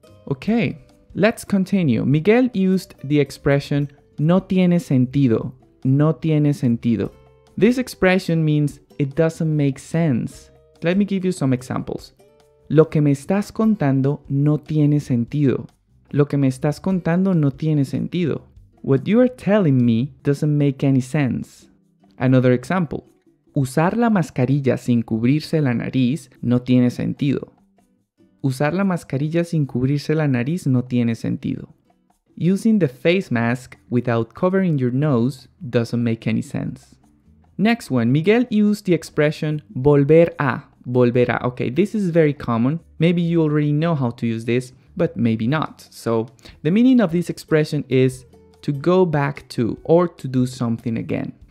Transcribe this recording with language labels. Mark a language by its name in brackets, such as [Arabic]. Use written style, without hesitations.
[English] Okay, let's continue. Miguel used the expression [Spanish] no tiene sentido. No tiene sentido. [English] This expression means it doesn't make sense. Let me give you some examples. [Spanish] Lo que me estás contando no tiene sentido. Lo que me estás contando no tiene sentido. [English] What you are telling me doesn't make any sense. Another example. [Spanish] Usar la mascarilla sin cubrirse la nariz no tiene sentido. Usar la mascarilla sin cubrirse la nariz no tiene sentido. [English] Using the face mask without covering your nose doesn't make any sense. Next one. Miguel used the expression [Spanish] volver a. Volver a. [English] Okay, this is very common. Maybe you already know how to use this, but maybe not. So, the meaning of this expression is to go back to, or to do something again.